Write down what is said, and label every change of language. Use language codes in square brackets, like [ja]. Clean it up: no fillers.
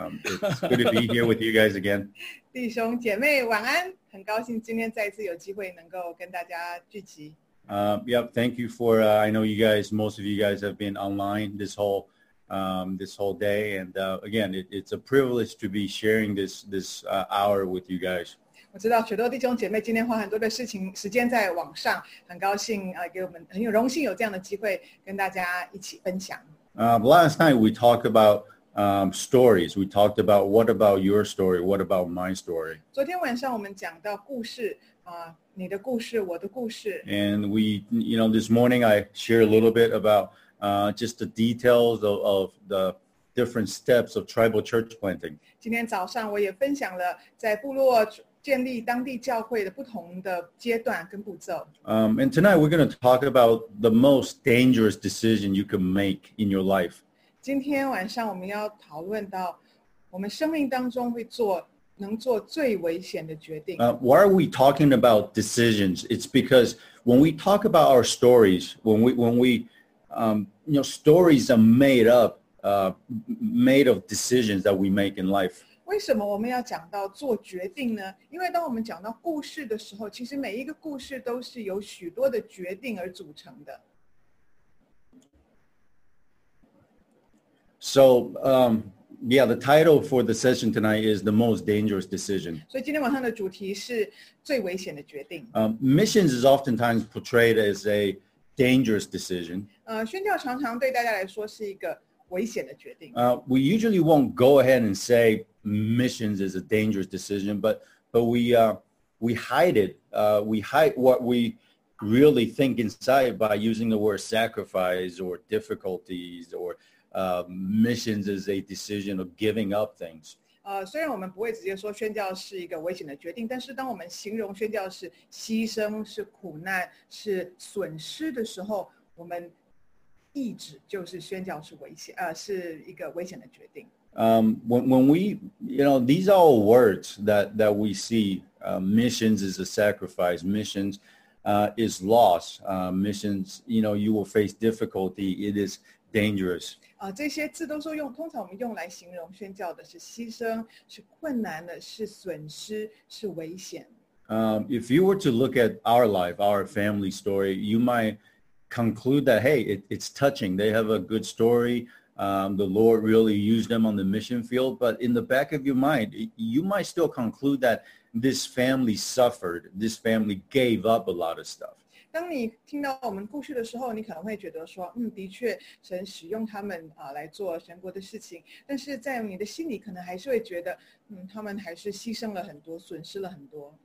[en] It's good to be here with you guys again. [zh] 弟兄姐妹晚安，很高兴今天再次有机会能够跟大家聚集。 [en] Yep, thank you for, I know you guys, most of you guys have been online this whole day. And again, it's a privilege to be sharing this hour with you guys. [zh] 我知道许多弟兄姐妹今天花很多的事情时间在网上，很高兴给我们很有荣幸有这样的机会跟大家一起分享。 [en] Last night we talked about stories. We talked about what about your story? What about my story? [zh] 昨天晚上我们讲到故事你的故事，我的故事。 [en] And we, you know, this morning I shared a little bit about just the details of the different steps of tribal church planting. [zh] 今天早上我也分享了在部落建立当地教会的不同的阶段跟步骤。 [en] And tonight we're going to talk about the most dangerous decision you can make in your life. [zh] 今天晚上我们要讨论到我们生命当中会做能做最危险的决定。 [en] Why are we talking about decisions? It's because when we talk about our stories, when we stories are made up, made of decisions that we make in life. [zh] 为什么我们要讲到做决定呢？因为当我们讲到故事的时候，其实每一个故事都是由许多的决定而组成的。 [en] So, the title for the session tonight is the most dangerous decision. [zh] 所以今天晚上的主题是最危险的决定。 [en] Missions is oftentimes portrayed as a dangerous decision. [zh] 宣教常常对大家来说是一个危险的决定。 [en] We usually won't go ahead and say,missions is a dangerous decision, but we hide what we really think inside by using the word sacrifice or difficulties or missions is a decision of giving up things. [zh] 虽然我们不会直接说宣教是一个危险的决定，但是当我们形容宣教是牺牲、是苦难、是损失的时候，我们意指就是宣教是危险，是一个危险的决定。 [en] When we these are all words that we see, missions is a sacrifice, missions is loss, missions, you know, you will face difficulty, it is dangerous. [zh] 这些字都是用，通常我们用来形容宣教的是牺牲，是困难的，是损失，是危险。 [en] If you were to look at our life, our family story, you might conclude that, hey, it's touching, they have a good story. The Lord really used them on the mission field, but in the back of your mind, you might still conclude that this family suffered, this family gave up a lot of stuff. [zh] 当你听到我们故事的时候，你可能会觉得说，的确神使用他们来做神国的事情，但是在你的心里可能还是会觉得，他们还是牺牲了很多，损失了很多。